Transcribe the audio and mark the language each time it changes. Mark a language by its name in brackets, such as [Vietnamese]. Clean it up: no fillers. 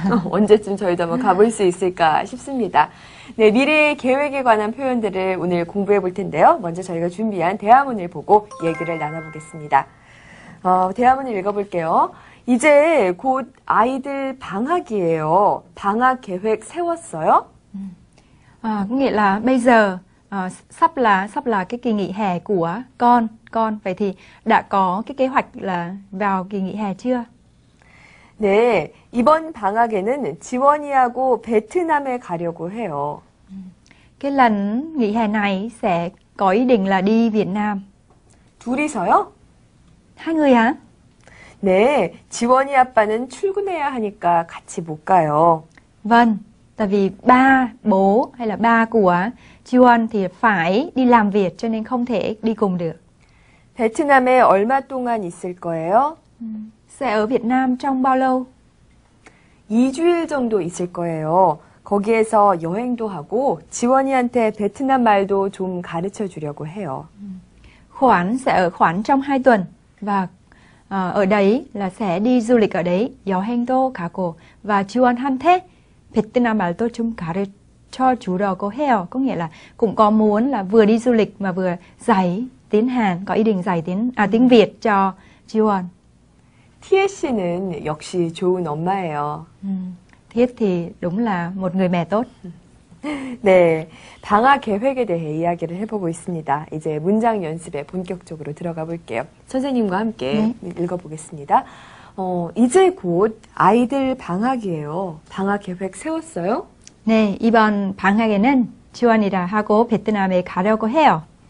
[Korean] 언제쯤 저희도 한번 가볼 수 있을까 싶습니다. 네, 미래의 계획에 관한 표현들을 오늘 공부해 볼 텐데요. 먼저 저희가 준비한 대화문을 보고 얘기를 나눠보겠습니다. 대화문을 읽어볼게요. 이제 곧 아이들 방학이에요. 방학 계획 세웠어요? 그러니까 [Vietnamese] bây giờ sắp là cái kỳ nghỉ hè của con. Vậy thì đã có cái kế hoạch là vào kỳ nghỉ hè chưa? [Korean] 네, 이번 방학에는 지원이하고 베트남에 가려고 해요. [Vietnamese] Cái lần nghỉ hè này sẽ có ý định là đi Việt Nam. [Korean] 둘이서요? [Vietnamese] Hai người hả? [Korean] 네, 지원이 아빠는 출근해야 하니까 같이 못 가요. [Vietnamese] Vâng, tại vì ba bố hay là ba của Chiwon thì phải đi làm việc cho nên không thể đi cùng được. [Korean] 베트남에 얼마 동안 있을 거예요? [Vietnamese] Sẽ ở Việt Nam trong bao lâu? [Korean] 2주일 정도 있을 거예요. 거기에서 여행도 하고 지원이한테 베트남 말도 좀 가르쳐 주려고 해요. [Vietnamese] Khoảng sẽ ở khoảng trong 2 tuần và ở đấy là sẽ đi du lịch ở đấy, [Korean] 여행도 가고 [Vietnamese] và [Korean] 지원한테 베트남 말도 좀 가르쳐 주려고 해요. [Vietnamese] Có nghĩa là cũng có muốn là vừa đi du lịch mà vừa dạy tiếng Hàn, có ý định dạy tiếng Việt cho 지원. [Korean] Thiết 씨는 역시 좋은 엄마예요. [Vietnamese] Thiết thì đúng là một người mẹ tốt. [Korean] 네, 방학 계획에 대해 이야기를 해보고 있습니다. 이제 문장 연습에 본격적으로 들어가 볼게요. 선생님과 함께 네. 읽어보겠습니다. 이제 곧 아이들 방학이에요. 방학 계획 세웠어요? 네, 이번 방학에는 지원이라 하고 베트남에 가려고 해요.